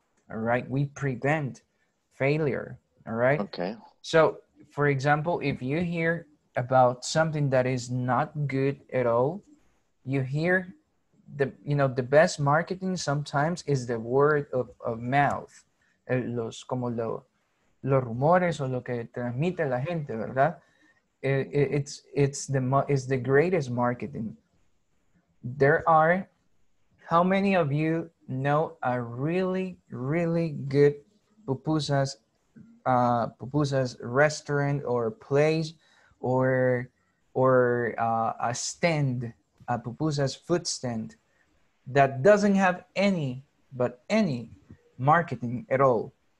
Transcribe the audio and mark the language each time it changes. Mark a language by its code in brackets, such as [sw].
[en] All right. We prevent failure. All right. Okay. So, for example, if you hear about something that is not good at all, you hear the, you know, the best marketing sometimes is the word of mouth. [es] Los, como lo, los rumores o lo que transmite la gente, ¿verdad? [en] It's the greatest marketing. There are, how many of you know a really, really good pupusas restaurant or place or a stand, a pupusas food stand that doesn't have any, but any marketing at all?